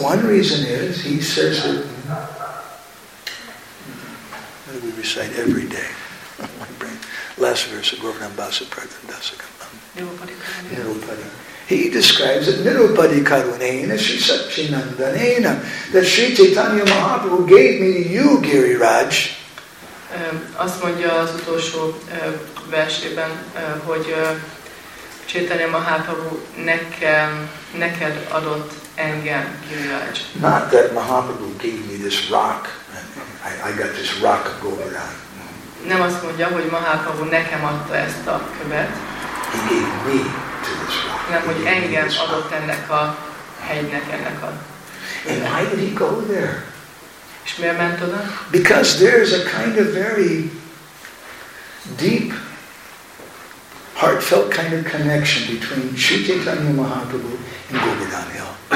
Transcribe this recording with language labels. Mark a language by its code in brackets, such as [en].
[en] Well, one reason is, he says that, what do we recite every day? Last verse of Govardhan Basa Pratham Dasakam. Nirupadi. He describes it, [sa] Nirupadi Karunena Sri Sakshi Nandanena, [en] that Sri Chaitanya Mahaprabhu gave me to you, Giriraj. [hu] Azt mondja az utolsó versében, hogy Chaitanya Mahaprabhu neked adott engem, Giriraj. [en] Not that Mahaprabhu gave me this rock, I got this rock of Govardhan. [hu] Nem azt mondja, hogy Mahaprabhu nekem adta ezt a követ. [en] He gave me to this rock. [hu] Nem, hogy engem adott ennek a hegynek, ennek a... [en] And why did he go there? [hu] És miért ment oda? [en] Because there's a kind of very deep, heartfelt kind of connection between Sri Chaitanya Mahaprabhu and Govardhan Hill.